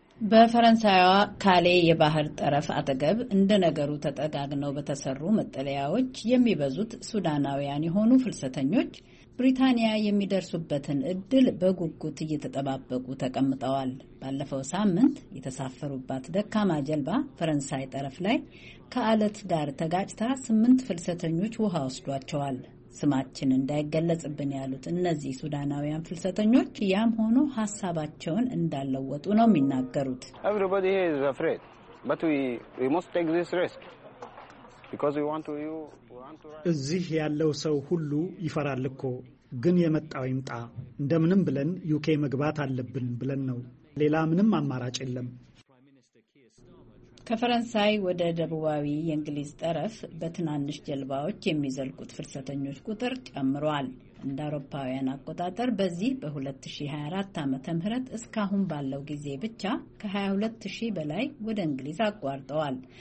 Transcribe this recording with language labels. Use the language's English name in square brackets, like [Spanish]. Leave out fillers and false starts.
[Amharic] በፈረንሳይዋ ካሌ የባህር ጠረፍ አጠገብ እንደ ነገሩ ተጠጋግነው በተሰሩ መጠለያዎች የሚበዙት ሱዳናውያን የሆኑ ፍልሰተኞች ብሪታንያ የሚደርሱበትን እድል በጉጉት እየተጠባበቁ ተቀምጠዋል። ባለፈው ሳምንት የተሳፈሩባት ደካማ ጀልባ ፈረንሳይ ጠረፍ ላይ ከአለት ጋር ተጋጭታ 8 ፍልሰተኞች ውሃ ወስዷቸዋል። ስማችን እንዳይገለጽብን ያሉት እነዚህ ሱዳናውያን ፍልሰተኞች ያም ሆኖ ሐሳባቸውን እንዳለወጡ ነው የሚናገሩት። [English] Everybody is afraid, but we must take this risk. [Amharic] እዚህ ያለው ሰው ሁሉ ይፈራል እኮ ግን የመጣው ይምጣ እንደምንም ብለን ዩኬ መግባት አለብን ብለን ነው ሌላ ምንም አማራጭ የለም። ከፈረንሳይ ወደ ደቡባዊ የእንግሊዝ ጠረፍ በትናንሽ ጀልባዎች የሚዘልቁት ፍልሰተኞች ቁጥር ጨምሯል። እንደ አውሮፓውያን አቆጣጠር በዚህ በ2024 ዓመተ ምህረት እስካሁን ባለው ጊዜ ብቻ ከ22000 በላይ ወደ እንግሊዝ አቋርጠዋል።